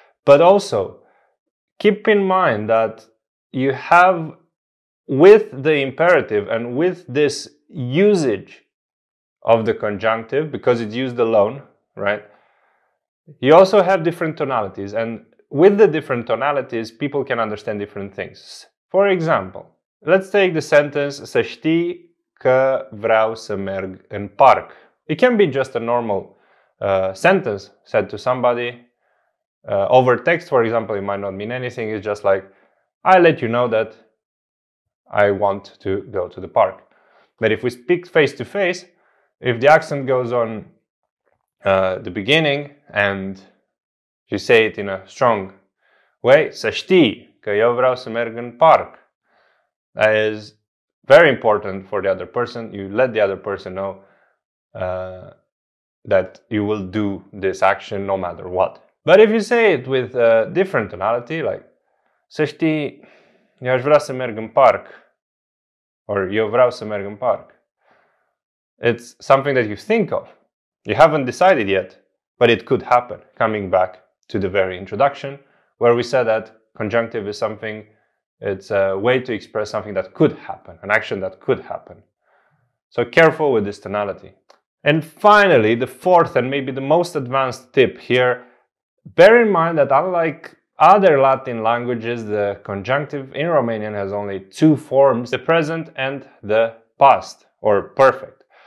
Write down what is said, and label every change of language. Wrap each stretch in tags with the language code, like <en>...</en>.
<en>But also, keep in mind that you have, with the imperative and with this usage of the conjunctive, because it's used alone, right? You also have different tonalities, and with the different tonalities, people can understand different things. For example, let's take the sentence,</en> <ro>să știi că vreau să merg în parc.</ro> <en>It can be just a normal sentence said to somebody. Over text, for example, it might not mean anything. It's just like, I let you know that I want to go to the park. But if we speak face to face, if the accent goes on the beginning and you say it in a strong way,</en> <ro>să știi că eu vreau să merg în parc,</ro> <en>that is very important for the other person. You let the other person know that you will do this action no matter what. But if you say it with a different tonality, like</en> <ro>să știi, eu aș vrea să merg în parc,</ro> <en>or</en> <ro>eu vreau să merg în parc,</ro> <en>it's something that you think of. You haven't decided yet, but it could happen. Coming back to the very introduction, where we said that conjunctive is something, it's a way to express something that could happen, an action that could happen. So careful with this tonality. And finally, the fourth and maybe the most advanced tip here, bear in mind that unlike other Latin languages, the conjunctive in Romanian has only two forms, the present and the past, or perfect.</en>